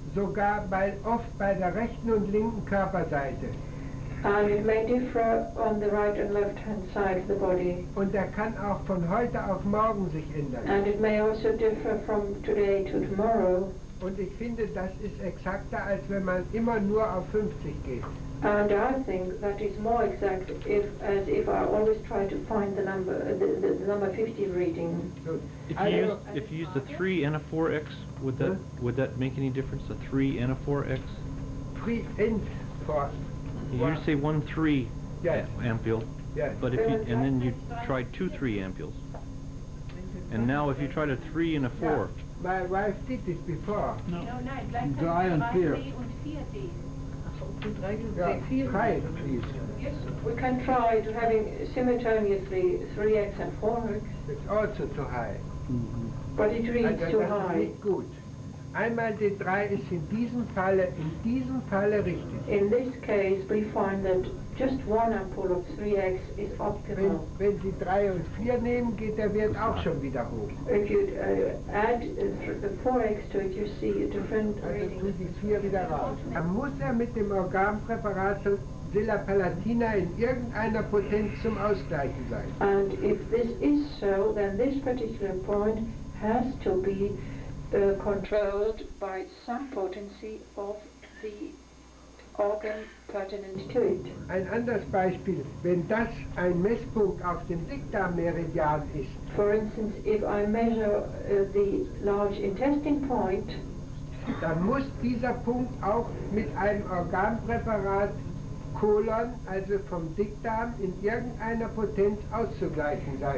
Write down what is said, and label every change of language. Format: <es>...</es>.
<de>Sogar bei, oft bei der rechten und linken Körperseite.</de> <en>And it may differ on the right and left hand side of the body.</en> <de>Und er kann auch von heute auf morgen sich ändern.</de> <en>And it may also differ from today to tomorrow.</en> <de>Und ich finde, das ist exakter, als wenn man immer nur auf 50 geht.</de> <en>And I think that is more exact if, as if I always try to find the number, the number 50 reading. If you use a 3 and a 4X, would that would that make any difference, a 3 and a 4X? 3 and 4. You say 1-3 yes. Ampule, yes. But if you, and then you try 2-3 ampules. And now if you try a 3 and a 4. Yeah. My wife did this before. No, no, no. Like 3 and 4. We can try to having simultaneously 3x and 4x. It's also too high. Mm-hmm. But it reads also too high.</en> <de>Also, das ist nicht gut. Einmal die 3 ist in diesem Falle richtig.</de> <en>In this case, we find that just one ampule of 3x is optimal.</en> <de>Wenn Sie 3 und 4 nehmen, geht der Wert auch schon wieder hoch.</de> <en>If you add the 4x to it, you see a different reading.</en> <de>Also tue ich 4 wieder raus. Dann muss er mit dem Organpräparat Silapalatina in irgendeiner Potenz zum Ausgleichen sein.</de> <en>And if this is so, then this particular point has to be controlled by some potency of the organ pertinent to it.</en> <de>Ein anderes Beispiel, wenn das ein Messpunkt auf dem Dickdarmmeridian ist.</de> <en>For instance, if I measure the large intestine point,</en> <de>dann muss dieser Punkt auch mit einem Organpräparat Kolon, also vom Dickdarm, in irgendeiner Potenz auszugleichen sein.</de>